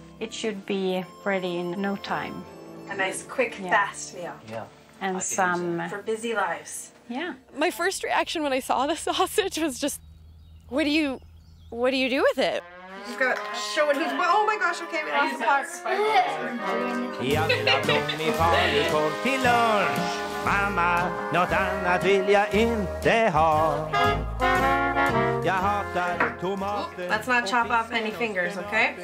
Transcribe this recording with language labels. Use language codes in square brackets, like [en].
[en] It should be ready in no time. A nice, quick, fast meal. Yeah. And some... For busy lives. Yeah. My first reaction when I saw the sausage was just, what do you do with it? He's got to show it. Oh my gosh, okay, we lost the parts. [sv] Jag vill ha blommig falukorv till lunch. Mamma, något annat vill jag inte ha. [en] Oh, let's not chop off any fingers, okay?